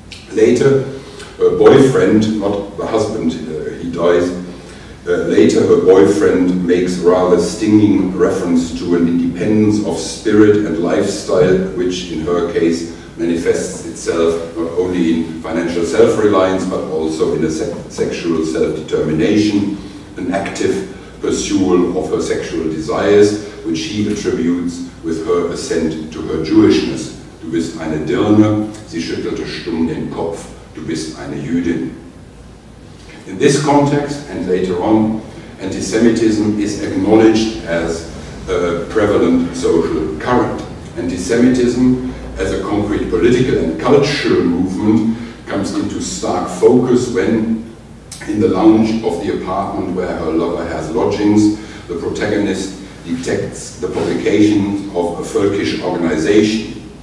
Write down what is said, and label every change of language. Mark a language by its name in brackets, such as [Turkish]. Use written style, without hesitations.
[English] Later, her boyfriend, not the husband, he dies, later her boyfriend makes rather stinging reference to an independence of spirit and lifestyle, which in her case manifests itself not only in financial self-reliance, but also in a sexual self-determination, an active pursual of her sexual desires, which she attributes with her assent to her Jewishness. [German] Du bist eine Dirne, sie schüttelte stumm den Kopf, du bist eine Jüdin. [English] In this context, and later on, antisemitism is acknowledged as a prevalent social current. Antisemitism, as a concrete political and cultural movement, comes into stark focus when, in the lounge of the apartment where her lover has lodgings, the protagonist detects the publication of a Völkisch organization.